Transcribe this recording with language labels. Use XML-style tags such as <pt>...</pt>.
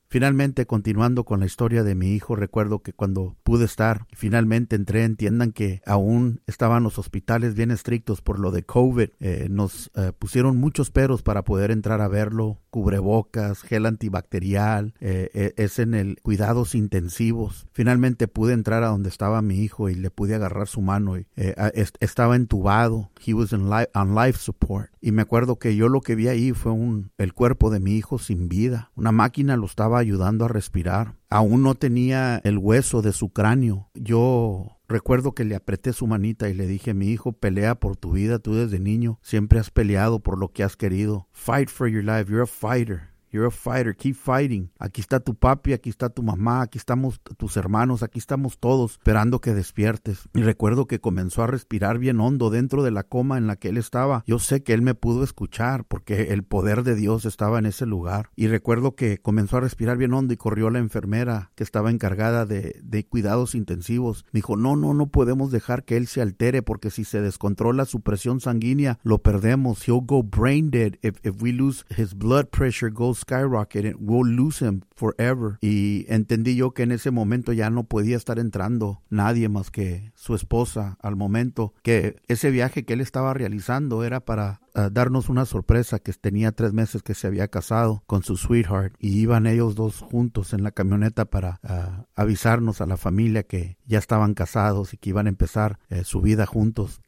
<es>Finalmente, continuando con la historia de mi hijo, recuerdo que cuando pude estar, finalmente entré, entiendan que aún estaban los hospitales bien estrictos por lo de COVID. Nos pusieron muchos peros para poder entrar a verlo, cubrebocas, gel antibacterial, es en el cuidados intensivos. Finalmente pude entrar a donde estaba mi hijo y le pude agarrar su mano. Estaba entubado,</es> <en>he was on life support.</en> <es>Y me acuerdo que yo lo que vi ahí fue el cuerpo de mi hijo sin vida. Una máquina lo estaba ayudando a respirar. Aún no tenía el hueso de su cráneo. Yo recuerdo que le apreté su manita y le dije, mi hijo, pelea por tu vida. Tú desde niño siempre has peleado por lo que has querido.</es> <en>Fight for your life. You're a fighter. You're a fighter. Keep fighting.</en> <es>Aquí está tu papi, aquí está tu mamá, aquí estamos tus hermanos, aquí estamos todos esperando que despiertes. Y recuerdo que comenzó a respirar bien hondo dentro de la coma en la que él estaba. Yo sé que él me pudo escuchar porque el poder de Dios estaba en ese lugar. Y recuerdo que comenzó a respirar bien hondo y corrió a la enfermera que estaba encargada de cuidados intensivos. Me dijo, no podemos dejar que él se altere porque si se descontrola su presión sanguínea, lo perdemos.</es> <en>He'll go brain dead if we lose his blood pressure goes skyrocketing, we'll lose him forever.</en> <es>Y entendí yo que en ese momento ya no podía estar entrando nadie más que su esposa al momento, que ese viaje que él estaba realizando era para darnos una sorpresa, que tenía 3 meses que se había casado con su sweetheart y iban ellos dos juntos en la camioneta para avisarnos a la familia que ya estaban casados y que iban a empezar su vida juntos.</es>